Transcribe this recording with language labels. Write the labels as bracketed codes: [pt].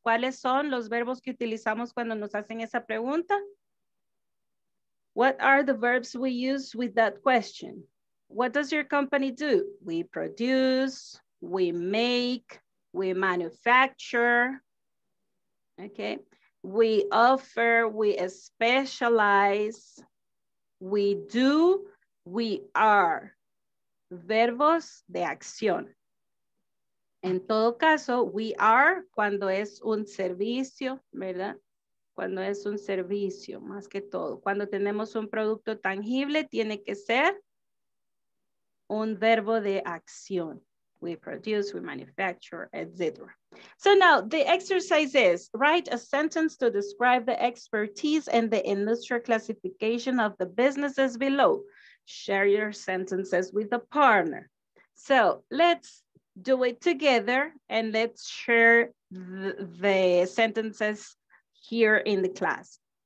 [es] ¿Cuáles son los verbos que utilizamos cuando nos hacen esa pregunta? [en] What are the verbs we use with that question? What does your company do? We produce, we make, we manufacture. Okay. We offer, we specialize, we do, we are. [es] Verbos de acción. En todo caso, [en] we are [es] cuando es un servicio, ¿verdad? Cuando es un servicio, más que todo. Cuando tenemos un producto tangible, tiene que ser un verbo de acción. [en] We produce, we manufacture, etc. So now the exercise is, write a sentence to describe the expertise and the industry classification of the businesses below. Share your sentences with a partner. So let's do it together and let's share the sentences here in the class.